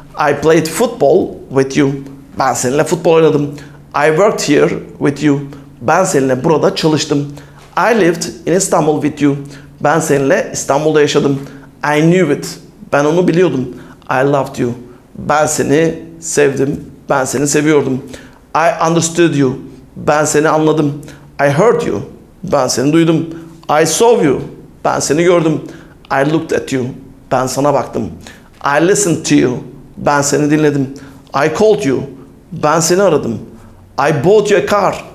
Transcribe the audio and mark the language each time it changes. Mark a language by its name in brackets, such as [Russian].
[English] I played football with you. [Turkish] Ben seninle futbol oynadım. [English] I worked here with you. [Turkish] Ben seninle burada çalıştım. [English] I lived in Istanbul with you. [Turkish] Ben seninle İstanbul'da yaşadım. [English] I knew it. [Turkish] Ben onu biliyordum. [English] I loved you. [Turkish] Ben seni sevdim. Ben seni seviyordum. [English] I understood you. [Turkish] Ben seni anladım. [English] I heard you. [Turkish] Ben seni duydum. [English] I saw you. [Turkish] Ben seni gördüm. [English] I looked at you. [Turkish] Ben sana baktım. [English] I listened to you. [Turkish] Ben seni dinledim. [English] I called you. [Turkish] Ben seni aradım. [English] I bought you a car.